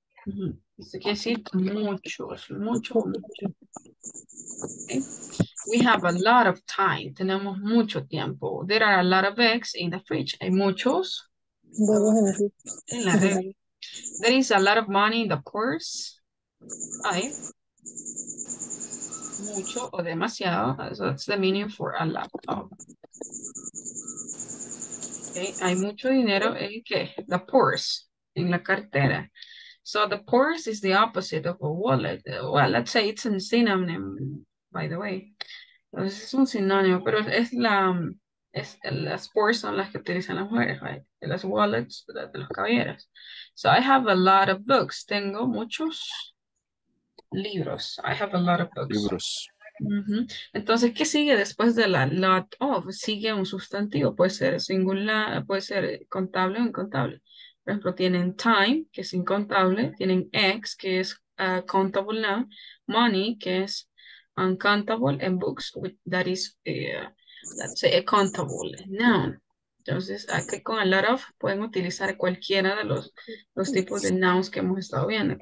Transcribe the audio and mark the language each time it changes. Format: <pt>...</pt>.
<es>Mm-hmm. Eso quiere decir mucho. Mucho, mucho. Okay. We</es> <en>We have a lot of time.</en> <es>Tenemos mucho tiempo.</es> <en>There are a lot of eggs in the fridge.</en> <es>Hay muchos.</es> <en>There is a lot of money in the purse.</en> <es>Hay mucho o demasiado.</es> <en>That's the meaning for a lot of.</en> <es>Okay. Hay mucho dinero en qué? The purse, en la cartera.</es> <en>So the purse is the opposite of a wallet. Well, let's say it's a synonym, by the way.</en> <es>Entonces es un sinónimo, pero es la, es, las purses son las que utilizan las mujeres, right? Las wallets de los caballeros.</es> <en>So I have a lot of books.</en> <es>Tengo muchos libros.</es> <en>I have a lot of books.</en> <es>Libros. Mm-hmm. Entonces, ¿qué sigue después de la lot of? Sigue un sustantivo. Puede ser singular, puede ser contable o incontable. Por ejemplo, tienen time, que es incontable. Tienen x, que es countable noun. Money, que es uncountable.</es> <en>And books, which, that is, let's say, a countable noun.</en> <es>Entonces, aquí con a lot of, pueden utilizar cualquiera de los tipos de nouns que hemos estado viendo.</es>